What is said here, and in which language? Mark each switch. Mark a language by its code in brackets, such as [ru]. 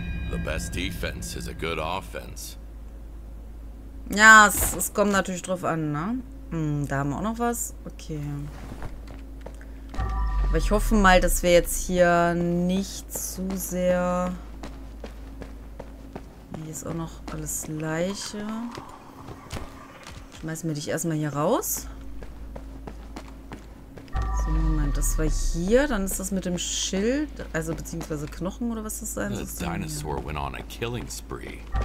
[en] The best defense is a good offense. [de] Ja, es kommt natürlich drauf an, ne? Hm, da haben wir auch noch was. Okay. Aber ich hoffe mal, dass wir jetzt hier nicht zu sehr. Hier ist auch noch alles Leiche. Schmeißen wir dich erstmal hier raus. So, Moment, das war hier. Dann ist das mit dem Schild, also beziehungsweise Knochen oder was das sein soll. [en] The dinosaur went on a killing spree.